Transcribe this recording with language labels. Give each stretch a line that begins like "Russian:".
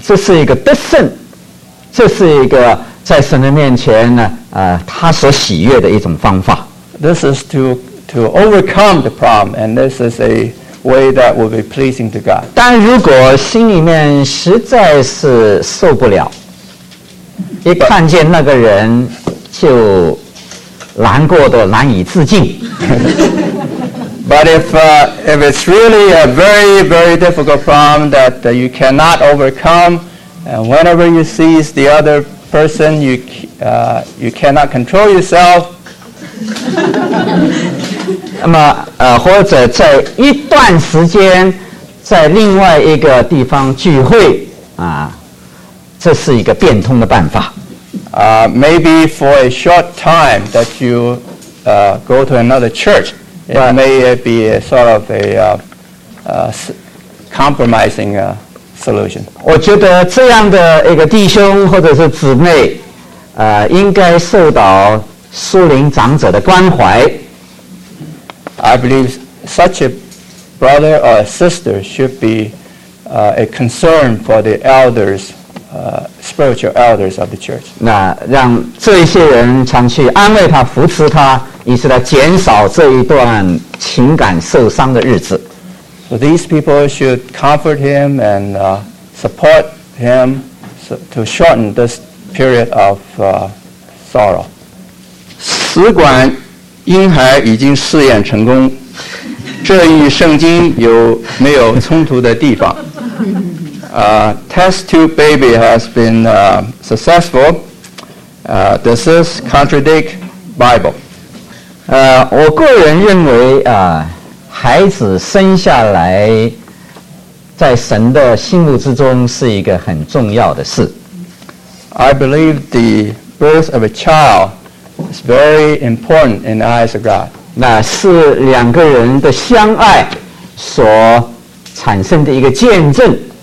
Chinese: 这是一个得胜，这是一个在神的面前呢，他所喜悦的一种方法。
English: This is to overcome the problem, and this is a way that will be pleasing to God.
Chinese: 但如果心里面实在是受不了，一看见那个人就难过的难以自禁。
English: But if it's really a very, very difficult problem that you cannot overcome, and whenever you see the other person, you cannot control yourself.
Chinese: 那么或者在一段时间在另外一个地方聚会，啊，这是一个变通的办法。
English: Maybe for a short time that you go to another church, it may be a sort of a compromising solution.
Chinese: 我觉得这样的一个弟兄或者是姊妹，应该受到苏灵长者的关怀。
English: I believe such a brother or a sister should be a concern for the elders, spiritual elders of the church.
Chinese: 那让这些人常去安慰他、扶持他，以是来减少这一段情感受伤的日子。
English: So these people should comfort him and support him to shorten this period of sorrow.
Chinese: 使管婴孩已经试验成功，这与圣经有没有冲突的地方？
English: Test tube baby has been successful. Does this contradict Bible?
Chinese: 我个人认为啊，孩子生下来在神的心目之中是一个很重要的事。
English: I believe the birth of a child is very important in the eyes of God.
Chinese: 那是两个人的相爱所产生的一个见证。